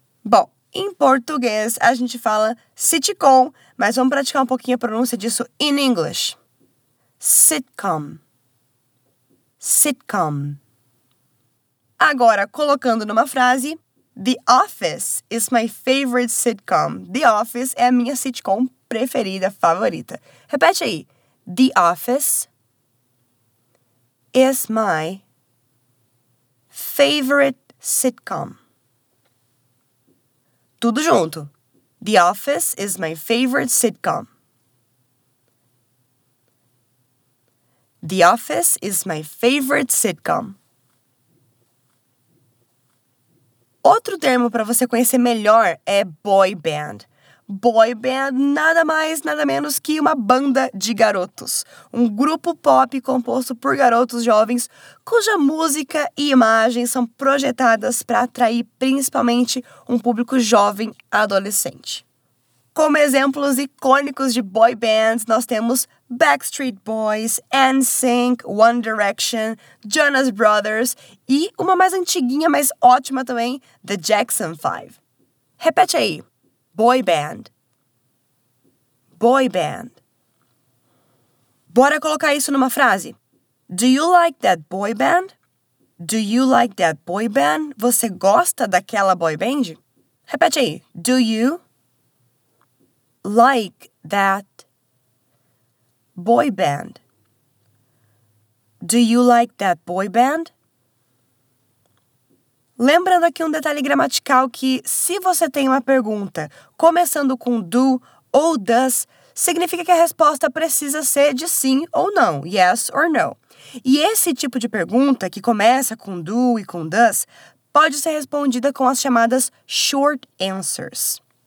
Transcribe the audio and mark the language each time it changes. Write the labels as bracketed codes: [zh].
[pt] Bom, em português a gente fala sitcom, mas vamos praticar um pouquinho a pronúncia disso [en] in English. Sitcom. Sitcom. [pt] Agora, colocando numa frase, [en] The Office is my favorite sitcom. [pt] The Office é a minha sitcom preferida, favorita. Repete aí. [en] The Office is my favorite sitcom. [pt] Tudo junto. [en] The Office is my favorite sitcom. The Office is my favorite sitcom. [pt] Outro termo para você conhecer melhor é boy band. Boy band nada mais, nada menos que uma banda de garotos. Um grupo pop composto por garotos jovens cuja música e imagem são projetadas para atrair principalmente um público jovem adolescente. Como exemplos icônicos de boy bands, nós temos Backstreet Boys, NSYNC, One Direction, Jonas Brothers e uma mais antiguinha, mas ótima também, The Jackson 5. Repete aí. [en] Boy band. Boy band. [pt] Bora colocar isso numa frase. [en] Do you like that boy band? Do you like that boy band? [pt] Você gosta daquela boy band? Repete aí. [en] Do you like that boy band? Do you like that boy band? [pt] Lembrando aqui um detalhe gramatical que se você tem uma pergunta começando com do ou does, significa que a resposta precisa ser de sim ou não, [en] yes or no. [pt] E esse tipo de pergunta que começa com do e com does pode ser respondida com as chamadas short answers.